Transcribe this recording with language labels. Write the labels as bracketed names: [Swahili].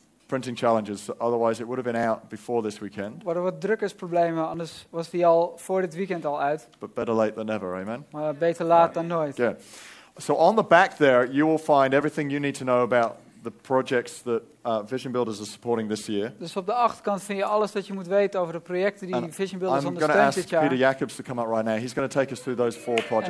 [English] Printing challenges, otherwise it would have been out before this weekend. [Dutch] Waren er wat drukkersproblemen, anders was die al voor dit weekend al uit. [English] But better late than never, amen? [Dutch] Maar beter laat dan nooit. [English] Good. So on the back there, you will find everything you need to know about the projects that Vision Builders are supporting this year. [Dutch] Dus op de achterkant vind je alles dat je moet weten over de projecten die [English] and [Dutch] Vision Builders [English] I'm [Dutch] ondersteunt dit jaar. [English] I'm going to ask Peter Jacobs to come up right now. He's going to take us through those four projects.